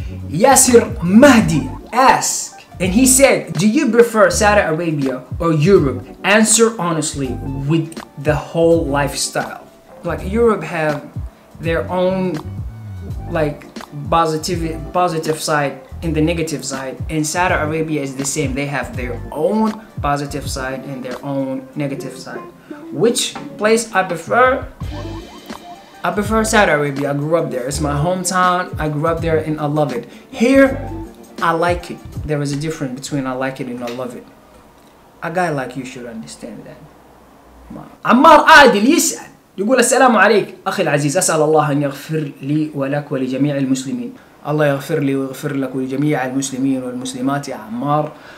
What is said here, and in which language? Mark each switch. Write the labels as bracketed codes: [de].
[en] ياسر مهدي ask and he said do you prefer Saudi Arabia or Europe answer honestly with the whole lifestyle like Europe have their own like positive side and the negative side and Saudi Arabia is the same they have their own positive side and their own negative side which place I prefer Saudi Arabia. I grew up there. It's my hometown. I grew up there and I love it. Here, I like it. There is a difference between I like it and I love it. A guy like you should understand that. [ar] عمار عادل يسأل يقول السلام عليك أخي العزيز أسأل الله أن يغفر لي ولك ولجميع المسلمين. الله يغفر لي ويغفر لك ولجميع المسلمين والمسلمات يا عمار.